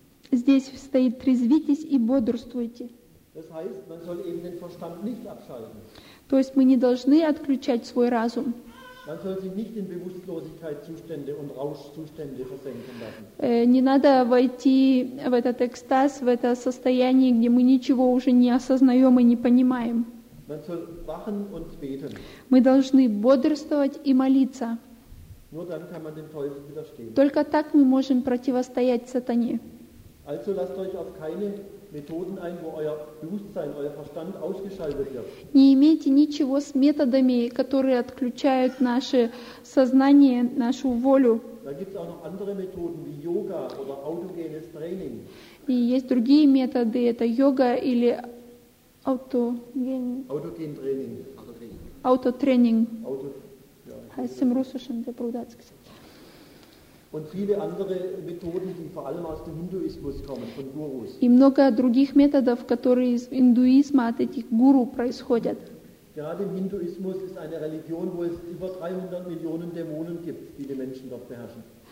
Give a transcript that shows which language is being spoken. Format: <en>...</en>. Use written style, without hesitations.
<ru>Здесь стоит «трезвитесь и бодрствуйте».</ru> <de>Das heißt, man soll eben den Verstand nicht abschalten.</de> <ru>То есть мы не должны отключать свой разум.</ru> <de>Man soll sich nicht in Bewusstlosigkeitszustände und Rauschzustände versenken lassen.</de> <ru>Не надо войти в этот экстаз, в это состояние, где мы ничего уже не осознаем и не понимаем.</ru> <de>Man soll wachen und beten.</de> <ru>Мы должны бодрствовать и молиться.</ru> <de>Nur dann kann man dem Teufel widerstehen.</de> <ru>Только так мы можем противостоять сатане.</ru> <de>Also lasst euch auf keine Methoden ein, wo euer Bewusstsein, euer Verstand ausgeschaltet wird.</de> <ru>Не имейте ничего с методами, которые отключают наше сознание, нашу волю.</ru> <de>Da gibt's auch noch andere Methoden wie Yoga oder autogenes Training.</de> <ru>И есть другие методы, это йога или autogen</ru> <de>Training. Autotraining. Auto, ja. Heißt im Russischen der Bruderzug. Und viele andere Methoden, die vor allem aus dem Hinduismus kommen, von Gurus.</de> <ru>И много других методов, которые из индуизма, от этих гуру происходят.</ru> <de>Gerade im Hinduismus ist eine Religion, wo es über 300 Millionen Dämonen gibt, die die Menschen dort beherrschen.</de>